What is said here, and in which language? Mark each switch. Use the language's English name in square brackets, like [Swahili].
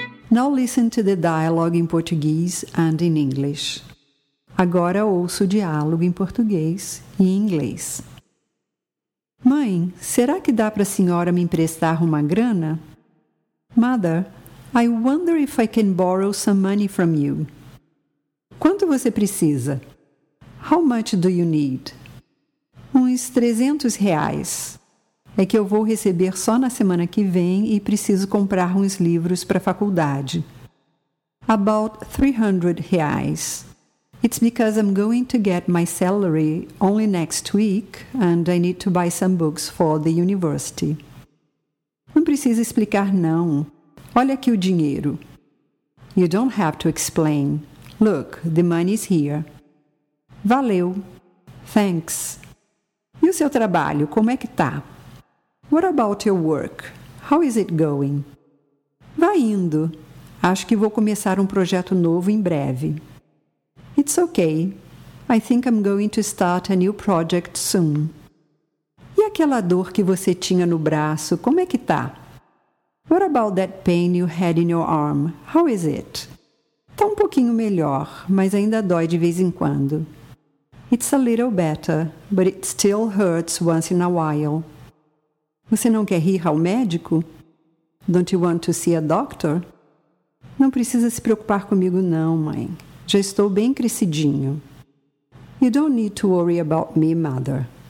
[English] Now listen to the dialogue in Portuguese and in English. [Portuguese] Agora ouço o diálogo em português e em inglês. Mãe, será que dá para a senhora me emprestar uma grana? [English] Mother, I wonder if I can borrow some money from you. [Portuguese] Quanto você precisa? [English] How much do you need? [Portuguese] Uns 300 reais. É que eu vou receber só na semana que vem e preciso comprar uns livros para a faculdade. [English] About 300 reais. It's because I'm going to get my salary only next week and I need to buy some books for the university. [Portuguese] Não precisa explicar, não. Olha aqui o dinheiro. [English] You don't have to explain. Look, the money's here. [Portuguese] Valeu. [English] Thanks. [Portuguese] E o seu trabalho, como é que tá? [English] What about your work? How is it going? [Portuguese] Vai indo. Acho que vou começar um projeto novo em breve. [English] It's okay. I think I'm going to start a new project soon. [Portuguese] E aquela dor que você tinha no braço, como é que tá? [English] What about that pain you had in your arm? How is it? [Portuguese] Tá um pouquinho melhor, mas ainda dói de vez em quando. [English] It's a little better, but it still hurts once in a while. [Portuguese] Você não quer ir ao médico? [English] Don't you want to see a doctor? [Portuguese] Não precisa se preocupar comigo não, mãe. Já estou bem crescidinho. [English] You don't need to worry about me, mother.